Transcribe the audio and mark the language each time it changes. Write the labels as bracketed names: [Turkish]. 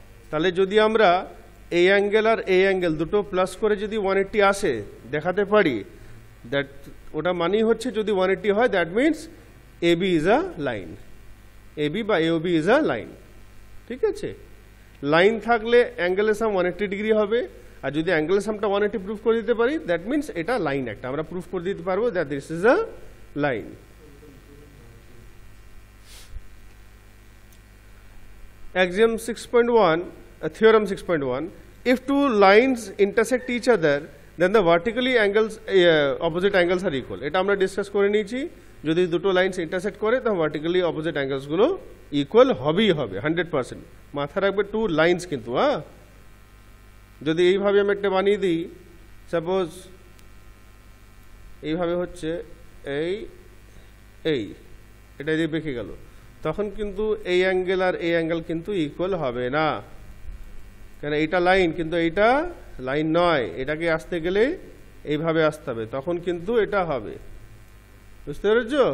[Bangla] তাহলে যদি আমরা এই অ্যাঙ্গেল আর এই অ্যাঙ্গেল দুটো প্লাস করে যদি 180 আসে দেখাতে পারি, দ্যাট ওটা মানেই হচ্ছে যদি 180 হয় [English] that means A B is a line, [Bangla] A B বা [English] এও B is a line. [Bangla] ঠিক আছে, লাইন থাকলে অ্যাঙ্গেলের সাম 180 ডিগ্রি হবে, আর যদি অ্যাঙ্গেলের সামটা 180 প্রুফ করে দিতে পারি দ্যাট মিনস এটা লাইন একটা, আমরা প্রুফ করে দিতে পারবো [English] That this is a line. Axiom 6.1, theorem 6.1, if two lines intersect each other, then the vertically angles, opposite angles are equal. [Bangla] এটা আমরা ডিসকাস করে নিয়েছি, যদি দুটো লাইন ইন্টারসেক্ট করে তখন ভার্টিক্যালি অপোজিট অ্যাঙ্গেলস গুলো ইকুয়াল হবেই হবে 100%। মাথা রাখবে টু লাইন্স কিন্তু, হ্যাঁ, যদি এইভাবে আমি একটা বানিয়ে দিই, সাপোজ এইভাবে হচ্ছে এই এই এটা যদি বেঁকে গেল তখন কিন্তু এই অ্যাঙ্গেল আর এই অ্যাঙ্গেল কিন্তু ইকুয়াল হবে না, কেন এইটা লাইন কিন্তু এইটা লাইন নয়, এটাকে আসতে গেলে এইভাবে আসতে হবে, তখন কিন্তু এটা হবে, বুঝতে পেরেছ?